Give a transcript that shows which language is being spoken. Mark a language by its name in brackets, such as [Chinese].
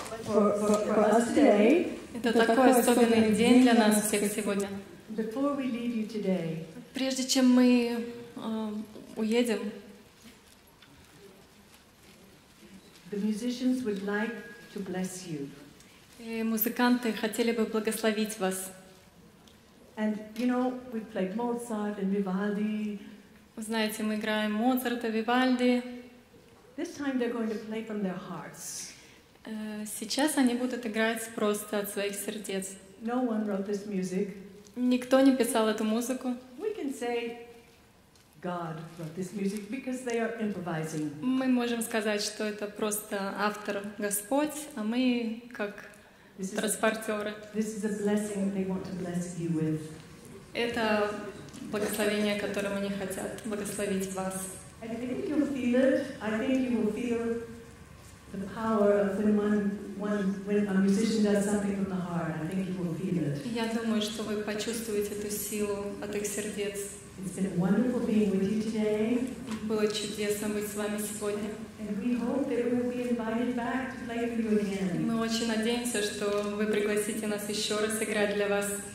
[Russian] Это такой особенный день для нас всех сегодня. [English] Before we leave you today, [Russian] прежде чем мы уедем, [English] the musicians would like to bless you. [Russian] Музыканты хотели бы благословить вас. [English] And you know, we played Mozart and Vivaldi. [Russian] Вы знаете, мы играем Моцарта, Вивальди. [English] This time they're going to play from their hearts. [Russian] Сейчас они будут играть просто от своих сердец. [English] No one wrote this music. [Russian] Никто не писал эту музыку. [English] We can say God wrote this music because they are improvising. [Russian] Мы можем сказать, что это просто автор Господь, а мы как транспортеры. [English] This is a blessing they want to bless you with. [Russian] Это благословение, которым они хотят благословить вас. [English] I think you'll feel it. I think you will feel the power of when a musician does something from the heart. I think you will feel it. [Russian] Я думаю, что вы почувствуете эту силу от их сердец. [English] It's been wonderful being with you today. [Russian] Было чудесно быть с вами сегодня. [English] And we hope that we will be invited back to play for you again. [Russian] Мы очень надеемся, что вы пригласите нас еще раз играть для вас.